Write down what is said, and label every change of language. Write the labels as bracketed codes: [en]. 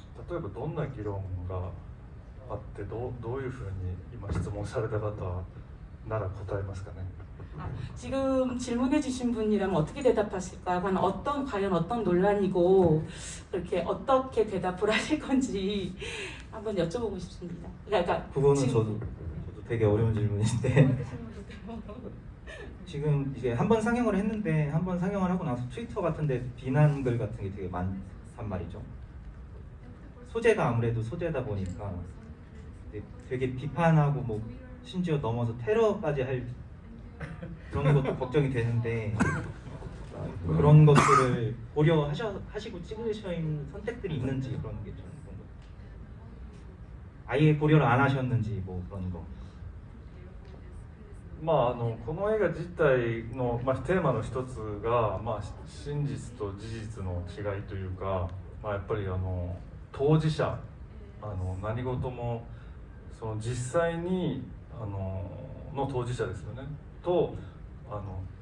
[ja] 例えばどんな議論があって、どういうふうに今質問された方なら答えますかね。 [ko] 아, 지금 질문해 주신 분이라면 어떻게 대답하실까요? 어떤 과연 어떤 논란이고 그렇게 어떻게 대답을 하실 건지 한번 여쭤보고 싶습니다. 그거는 저도 되게 어려운 질문인데 지금 이제 한 번 상영을 했는데, 한 번 상영을 하고 나서 트위터 같은 데 비난글 같은 게 되게 많단 말이죠. 소재가 아무래도 소재다 보니까 되게 비판하고 뭐 심지어 넘어서 테러까지 할그런것도걱정이되는데 그런것들을고려하시고찍으셔있는선택들이있는지그런게좀궁금해요. 아예고려를안하셨는지뭐그런거 [ja] まああのこの映画自体のまあテーマの一つがまあ真実と事実の違いというか、まあやっぱりあの当事者、あの何事もその実際にあのの当事者ですよね、とあの